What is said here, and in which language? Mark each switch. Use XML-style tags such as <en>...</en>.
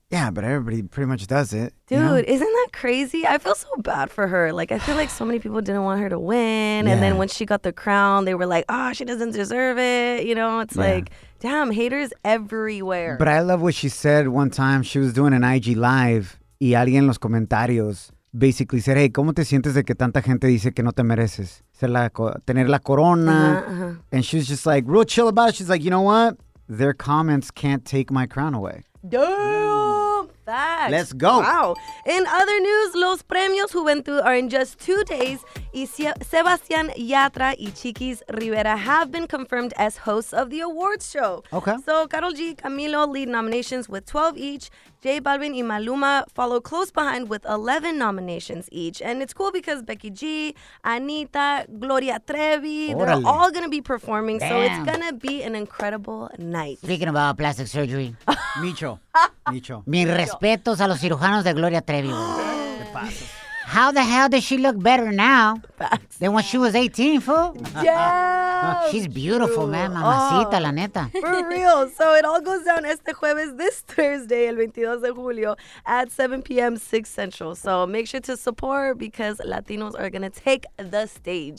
<en>Yeah, but everybody pretty much does it. Dude, you know? Isn't that crazy? I feel so bad for her. Like, I feel like so many people didn't want her to win. Yeah. And then when she got the crown, they were like, oh, she doesn't deserve it. You know, it's like, damn, haters everywhere. But I love what she said one time. She was doing an IG live.</en> <es>Y alguien en los comentarios</es> <en>basically said, hey,</en> <es>¿cómo te sientes de que tanta gente dice que no te mereces? Tener la corona.</es> <en>Uh-huh. And she was just like, real chill about it. She's like, you know what? Their comments can't take my crown away. Damn! Facts. Let's go. Wow. In other news, Los Premios Juventud are in just 2 days. Sebastian Yatra and Chiquis Rivera have been confirmed as hosts of the awards show. Okay. So, Karol G, Camilo lead nominations with 12 each. J Balvin and Maluma follow close behind with 11 nominations each. And it's cool because Becky G, Anita, Gloria Trevi,</en> <es>Orale.</es> <en>They're all going to be performing. Damn. So it's going to be an incredible night. Speaking about plastic surgery. Micho. Micho.</en> <es>Mi respetos a los cirujanos de Gloria Trevi.</es> <en>How the hell does she look better now than when she was 18, fool? Yeah. She's beautiful, man.</en> <es>Mamacita, la neta.</es> <en>For real. So it all goes down</en> <es>este jueves,</es> <en>this Thursday,</en> <es>el 22 de julio,</es> <en>at 7 p.m., 6 central. So make sure to support because Latinos are going to take the stage.</en>